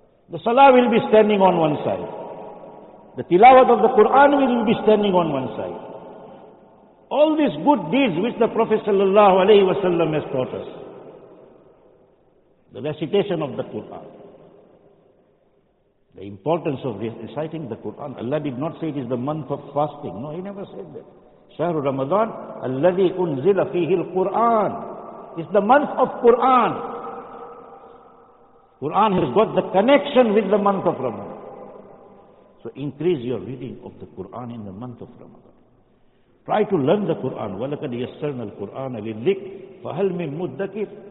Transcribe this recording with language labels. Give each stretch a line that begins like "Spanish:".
English: The salah will be standing on one side. The tilawat of the Quran will be standing on one side. All these good deeds which the Prophet sallallahu alaihi wasallam has taught us. The recitation of the Quran. The importance of reciting the Quran. Allah did not say it is the month of fasting. No, He never said that.
Arabic: شهر رمضان الذي أنزل فيه القرآن.
English: It's the month of Quran. Quran has got the connection with the month of Ramadan. So increase your reading of the Quran in the month of Ramadan. Try to learn the Quran.
Arabic: وَلَكَدْ يَسَّرْنَا الْقُرْآنَ لِلذِّكْرِ فَهَلْ مِن مُدَّكِرٍ.